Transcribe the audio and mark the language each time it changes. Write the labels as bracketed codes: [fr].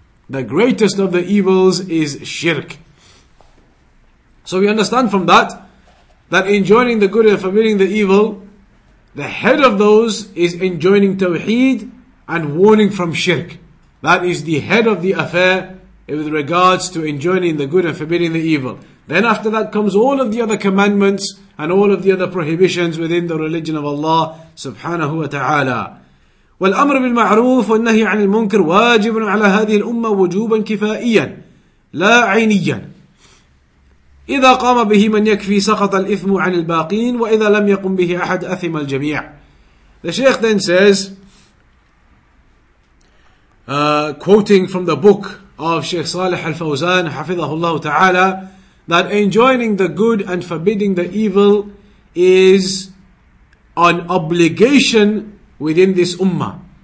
[en] The greatest of the evils is shirk. So we understand from that, that enjoining the good and forbidding the evil, the head of those is enjoining tawheed and warning from shirk. That is the head of the affair with regards to enjoining the good and forbidding the evil. Then after that comes all of the other commandments and all of the other prohibitions within the religion of Allah subhanahu wa ta'ala. [ar] والأمر بالمعروف والنهي عن المنكر واجب على هذه الأمة وجوبا كفائيا لا عينيا إذا قام به من يكفي سقط الإثم عن الباقين وإذا لم يقم به أحد أثم الجميع. [en] The Shaykh then says, quoting from the book of Shaykh Salih Al-Fawzan حفظه الله تعالى, that enjoining the good and forbidding the evil is an obligation within this ummah.